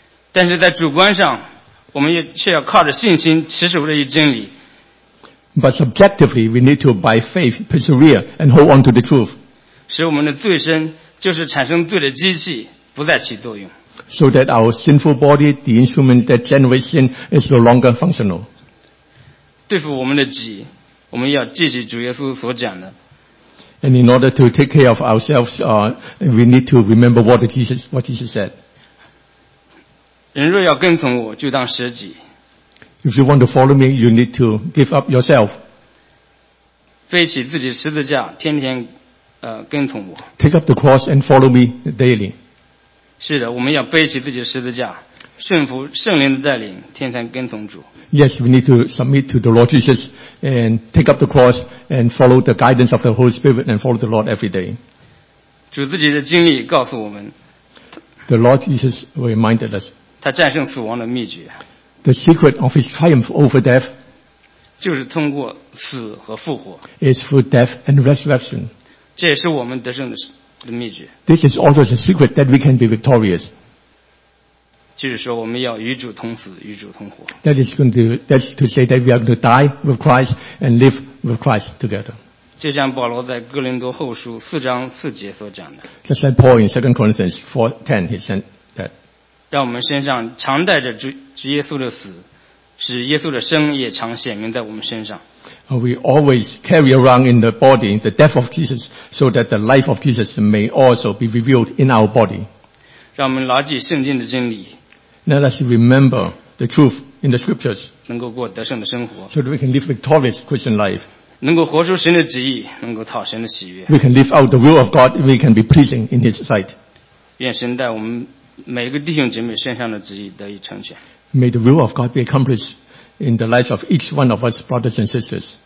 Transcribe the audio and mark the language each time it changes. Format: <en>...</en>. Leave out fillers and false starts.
<zh>但是在主观上，我们却要靠着信心持守这一真理。</zh> <en>But subjectively, we need to, by faith, persevere and hold on to the truth.</en> <zh>使我们的罪身就是产生罪的机器不再起作用。</zh> <en>So that our sinful body, the instrument that generates sin, is no longer functional.</en> <zh>对付我们的己，我们要记起主耶稣所讲的。</zh> <en>And in order to take care of ourselves, we need to remember what Jesus said.</en> <zh>人若要跟从我，就当舍己。</zh> <en>If you want to follow me, you need to give up yourself.</en> <zh>背起自己十字架，天天跟从我。</zh> <en>Take up the cross and follow me daily.</en> <zh>是的，我们要背起自己十字架，顺服圣灵的带领，天天跟从主。</zh> <en>Yes, we need to submit to the Lord Jesus and take up the cross and follow the guidance of the Holy Spirit and follow the Lord every day.</en> <zh>主自己的经历告诉我们。</zh> <en>The Lord Jesus reminded us.</en> <zh>他战胜死亡的秘诀。</zh> <en>The secret of his triumph over death.</en> <zh>就是通过死和复活。</zh> <en>Is through death and resurrection.</en> <zh>这也是我们得胜的秘诀。</zh> <en>This is also the secret that we can be victorious.</en> <zh>就是说我们要与主同死与主同活。</zh> <en>That's to say that we are going to die with Christ and live with Christ together.</en> <zh>就像保罗在哥林多后书四章四节所讲的。</zh> <en>Just like Paul in 2 Corinthians 4:10, he said that.</en> <zh>让我们身上常带着主耶稣的死，使耶稣的生也常显明在我们身上。</zh> <en>We always carry around in the body the death of Jesus so that the life of Jesus may also be revealed in our body.</en> <zh>让我们牢记圣经的真理。</zh> <en>Let us remember the truth in the scriptures.</en> <zh>能够过得胜的生活。</zh> <en>So that we can live victorious Christian life.</en> <zh>能够活出神的旨意，能够讨神的喜悦。</zh> <en>We can live out the will of God. We can be pleasing in His sight.</en> <zh>愿神带我们每个弟兄姐妹身上的旨意得以成全。</zh> <en>May the will of God be accomplished in the lives of each one of us brothers and sisters.</en>